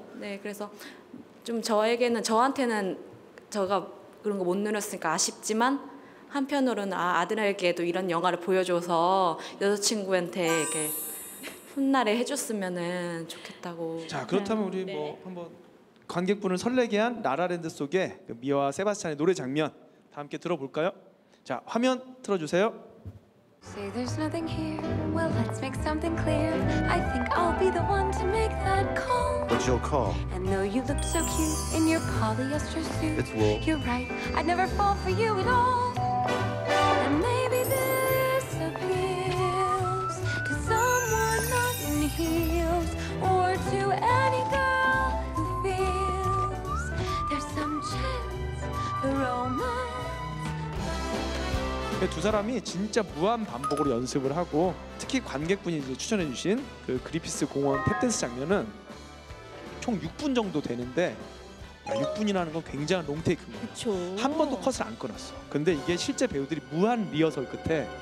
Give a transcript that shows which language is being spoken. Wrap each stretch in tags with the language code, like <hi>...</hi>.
<ko>네 그래서 좀 저에게는 저한테는 제가 그런 거 못 누렸으니까 아쉽지만 한편으로는 아, 아들에게도 이런 영화를 보여줘서 여자친구한테 이렇게 훗날에 해줬으면은 좋겠다고. 자 그렇다면 우리 네. 뭐 한번 관객분을 설레게 한 라라랜드 속의 미와 세바스찬의 노래 장면 다 함께 들어볼까요? 자 화면 틀어주세요.</ko> <en>Say there's nothing here. Well, let's make something clear. I think I'll be the one to make that call. What's your call? And though you look so cute in your polyester suit, it's wool. You're right. I'd never fall for you at all. And maybe this appeals to someone not in heels or to any girl who feels there's some chance for romance.</en> <ko>두 사람이 진짜 무한 반복으로 연습을 하고 특히 관객분이 추천해 주신 그 그리피스 공원 탭댄스 장면은 총 6분 정도 되는데 6분이라는 건 굉장한 롱테이크입니다. 그쵸. 한 번도 컷을 안 끊었어. 근데 이게 실제 배우들이 무한 리허설 끝에</ko>